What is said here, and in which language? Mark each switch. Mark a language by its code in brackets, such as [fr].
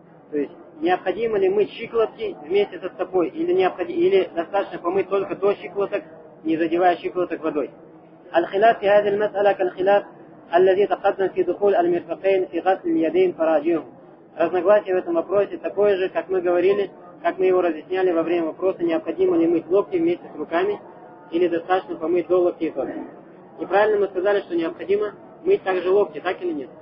[ru] То есть, необходимо ли мыть щиколотки вместе со стопой, или достаточно помыть только до щиколоток, не задевая щиколоток водой. [ar] الخلاف في هذه المسألة كالخلاف الذي تقدم في دخول المرفقين في غسل اليدين فراجعهم. [ru] Разногласие в этом вопросе такое же, как мы говорили, как мы его разъясняли во время вопроса, необходимо ли мыть локти вместе с руками или достаточно помыть до локтей тоже. Неправильно мы сказали, что необходимо мыть также локти, так или нет?